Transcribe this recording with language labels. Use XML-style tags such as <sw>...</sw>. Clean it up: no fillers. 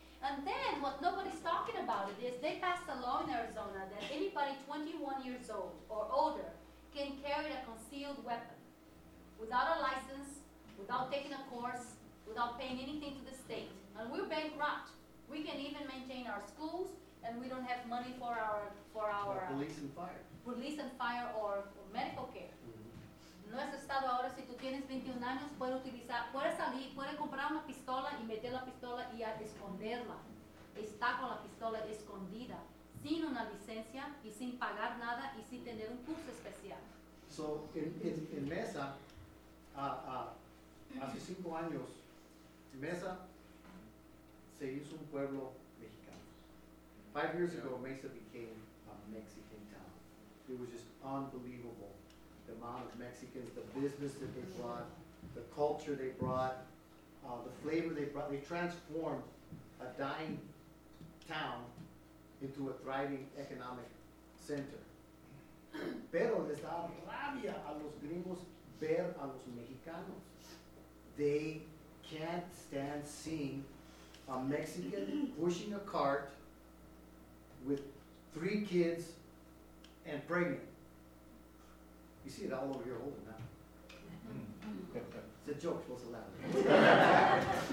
<en>And then what nobody's talking about it is they passed a law in Arizona that anybody 21 years old or older can carry a concealed weapon without a license, without taking a course, without paying anything to the state. And we're bankrupt. We can't even maintain our schools, and we don't have money for our police and fire. Police and fire or medical care.</en> <es>No es estado ahora, si tú tienes 21 años, puede utilizar, puede salir, puede comprar una pistola y meter la pistola y a esconderla. Está con la pistola escondida, sin una licencia y sin pagar nada y sin tener un curso especial. So, en Mesa, hace 5 años, Mesa se hizo un pueblo mexicano.</es> <en>5 years ago, Mesa became a Mexican town. It was just unbelievable. The amount of Mexicans, the business that they brought, the culture they brought, the flavor they brought. They transformed a dying town into a thriving economic center.</en> <es>Pero les da rabia a los gringos ver a los mexicanos.</es> <en>They can't stand seeing a Mexican pushing a cart with 3 kids and pregnant. You see it all over here holding now. It's a joke, supposed to laugh.</en>